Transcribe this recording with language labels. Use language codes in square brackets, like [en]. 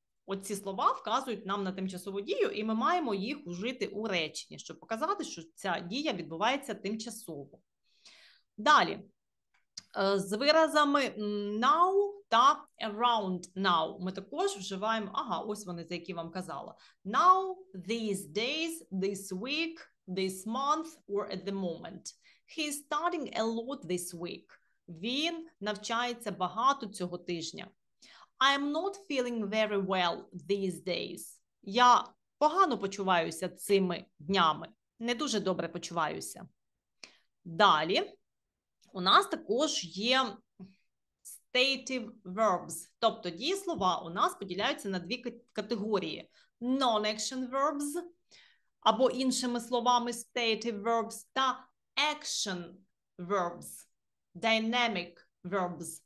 [uk] Оці слова вказують нам на тимчасову дію, і ми маємо їх вжити у реченні, щоб показати, що ця дія відбувається тимчасово. Далі, з виразами now та around now ми також вживаємо, ага, ось вони, за які вам казала. [en] Now, these days, this week, this month, or at the moment. He's studying a lot this week. [uk] Він навчається багато цього тижня. [en] I am not feeling very well these days. [uk] Я погано почуваюся цими днями. Не дуже добре почуваюся. Далі. У нас також є stative verbs, тобто дієслова у нас поділяються на дві категорії. [en] Non-action verbs, [uk] або іншими словами [en] stative verbs, та action verbs, dynamic verbs.